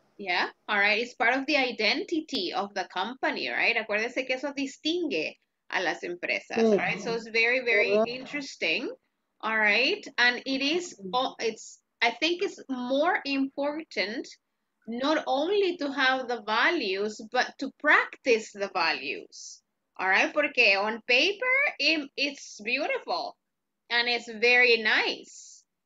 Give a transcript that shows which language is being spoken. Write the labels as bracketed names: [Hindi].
[English] Yeah, all right. It's part of the identity of the company, right? [Spanish] Acuérdese que eso distingue a las empresas, yeah. [English] Right? So it's very, very interesting. All right. And I think it's more important not only to have the values, but to practice the values. All right. Porque on paper, it's beautiful and it's very nice.